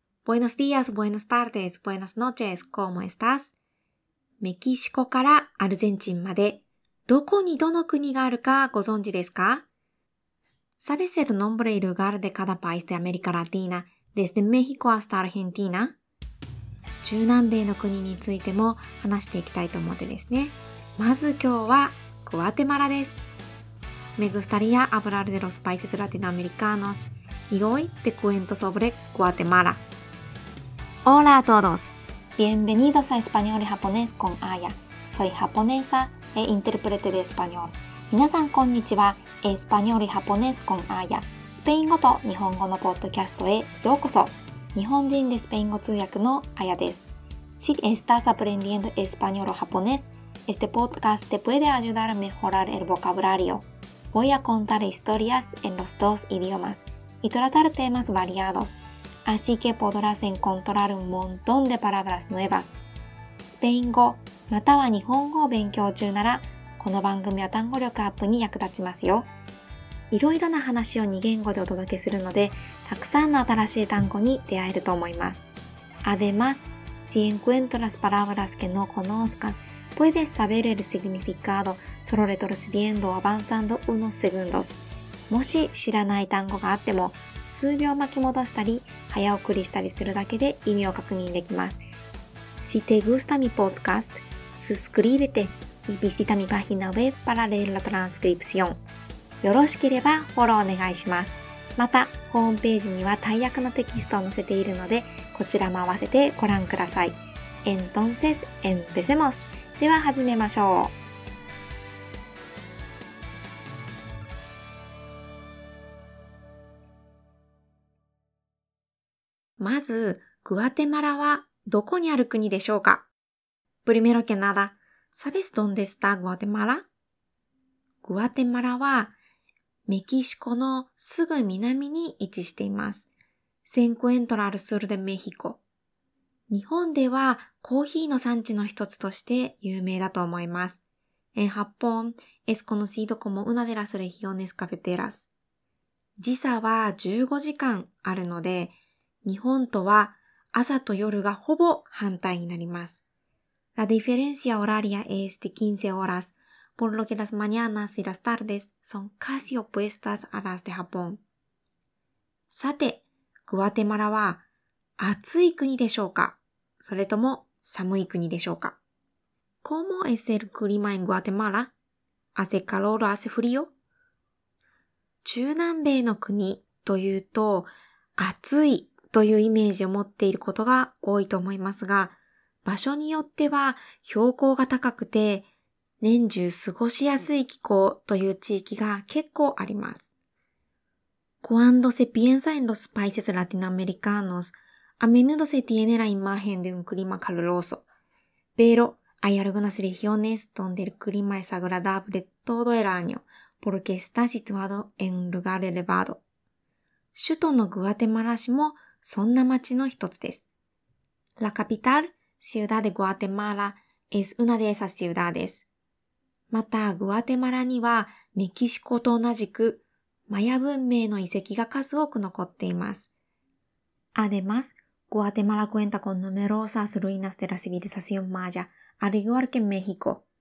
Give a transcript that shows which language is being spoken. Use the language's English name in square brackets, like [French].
[Spanish] Buenos días, buenas tardes, buenas noches, ¿cómo estás? [Japanese] メキシコからアルゼンチンまで、どこにどの国があるかご存知ですか ? [Spanish] ¿Sabes el nombre y lugar de cada país de América Latina, desde México hasta Argentina? [Japanese] 中南米の国についても話していきたいと思ってですね。まず今日は、グアテマラです。 [Spanish] Me gustaría hablar de los países latinoamericanos y hoy te cuento sobre Guatemala. Hola a todos. Bienvenidos a Español y Japonés con Aya. Soy japonesa e intérprete de español. [Japanese] 皆さんこんにちは。 [Spanish] Español y Japonés con Aya. [Japanese] スペイン語と日本語のポッドキャストへようこそ。日本人でスペイン語通訳の Aya です。 [Spanish] Si estás aprendiendo español o japonés, este podcast te puede ayudar a mejorar el vocabulario. Voy a contar historias en los dos idiomas y tratar temas variados, así que podrás encontrar un montón de palabras nuevas. [Japanese] スペイン語または日本語を勉強中なら、この番組は単語力アップに役立ちますよ。いろいろな話を2言語でお届けするので、たくさんの新しい単語に出会えると思います。 [Spanish] Además, si encuentras palabras que no conozcas,Puedes saber el significado solo retrocediendo o avanzando unos segundos. [Japanese] もし知らない単語があっても、数秒巻き戻したり、早送りしたりするだけで意味を確認できます。 [Spanish] Si te gusta mi podcast, suscríbete y visita mi página web para leer la transcripción. [Japanese] よろしければフォローお願いします。また、ホームページには大訳のテキストを載せているので、こちらも合わせてご覧ください。 [Spanish] Entonces, empecemos! [Japanese] では始めましょう。まず、グアテマラはどこにある国でしょうか ? [Spanish] Primero que nada, ¿sabes dónde está Guatemala? [Japanese] グアテマラはメキシコのすぐ南に位置しています。 [Spanish] Se encuentra al sur de México。 [Japanese] 日本ではコーヒーの産地の一つとして有名だと思います。 [Spanish] En Japón es conocido como una de las regiones cafeteras. [Japanese] 時差は15時間あるので、日本とは朝と夜がほぼ反対になります。 [Spanish] La diferencia horaria es de 15 horas, por lo que las mañanas y las tardes son casi opuestas a las de Japón. [Japanese] さて、グアテマラは暑い国でしょうか? それとも寒い国でしょうか? [Spanish] ¿Cómo es el clima en Guatemala? ¿Hace calor o hace frío? [Japanese] 中南米の国というと暑いというイメージを持っていることが多いと思いますが、場所によっては標高が高くて年中過ごしやすい気候という地域が結構あります。 [Spanish] Cuando se piensa en los países latinoamericanos,A menudo se tiene la imagen de un clima caluroso, pero hay algunas regiones donde el clima es agradable todo el año porque está situado en un lugar elevado. [Japanese] 首都のグアテマラ市もそんな町の一つです。 [Spanish] La capital, ciudad de Guatemala, es una de esas ciudades. [Japanese] また、グアテマラにはメキシコと同じくマヤ文明の遺跡が数多く残っています。 [Spanish] Además,Guatemala cuenta con numerosas ruinas de la civilización maya, al igual que México.